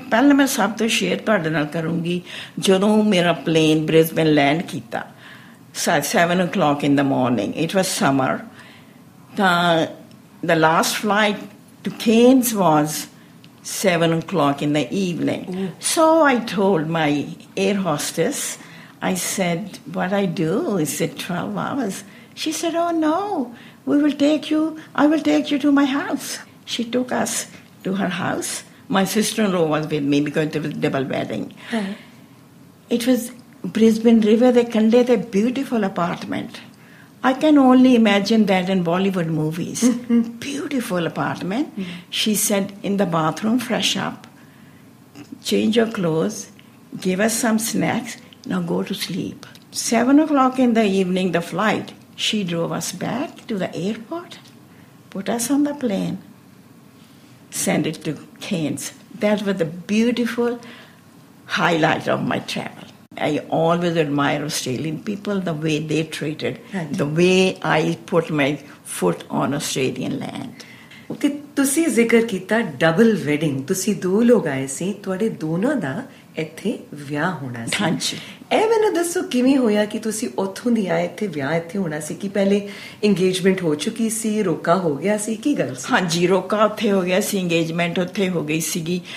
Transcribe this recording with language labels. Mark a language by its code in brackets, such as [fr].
[pa] ਪਹਿਲਾਂ ਮੈਂ ਸਭ ਤੋਂ ਸ਼ੇਅਰ ਤੁਹਾਡੇ ਨਾਲ ਕਰੂੰਗੀ, ਜਦੋਂ ਮੇਰਾ ਪਲੇਨ ਬ੍ਰਿਸਬਨ ਲੈਂਡ ਕੀਤਾ 7:00 [en] in the morning, it was summer, [pa] ਤਾਂ [en] The last flight to Cairns was 7:00 in the evening. So I told my air hostess, I said, what I do? Is it 12 hours? She said, oh no, I will take you to my house. She took us to her house. My sister-in-law was with me because it was a double wedding. Uh-huh. It was Brisbane River, they conveyed a beautiful apartment. I can only imagine that in Bollywood movies. Beautiful apartment. Mm-hmm. She said, in the bathroom, fresh up, change your clothes, give us some snacks, now go to sleep. 7:00 in the evening, the flight, she drove us back to the airport, put us on the plane, send it to Cairns. That was the beautiful highlight of my travel. I always admire Australian people, the way they treated, the way I put my foot on Australian land. [pa] ਤੇ ਤੁਸੀਂ ਜ਼ਿਕਰ ਕੀਤਾ double wedding, ਤੁਸੀਂ ਦੋ ਲੋਕ ਆਏ ਸੀ, ਤੁਹਾਡੇ ਦੋਨਾਂ ਦਾ ਇੱਥੇ ਵਿਆਹ ਹੋਣਾ ਸੀ। ਹਾਂਜੀ, ਇਹ ਮੈਨੂੰ ਦੱਸੋ ਕਿਵੇਂ ਹੋਇਆ ਕਿ ਤੁਸੀਂ ਉੱਥੋਂ ਦੀ ਆਏ, ਇੱਥੇ ਵਿਆਹ ਇੱਥੇ ਹੋਣਾ ਸੀ? ਕਿ ਪਹਿਲੇ ਇੰਗੇਜਮੈਂਟ ਹੋ ਚੁੱਕੀ ਸੀ, ਰੋਕਾ ਹੋ ਗਿਆ ਸੀ, ਕੀ ਗੱਲ? ਹਾਂਜੀ, ਰੋਕਾ ਉੱਥੇ ਹੋ ਗਿਆ ਸੀ, ਇੰਗੇਜਮੈਂਟ ਉੱਥੇ ਹੋ ਗਈ ਸੀਗੀ।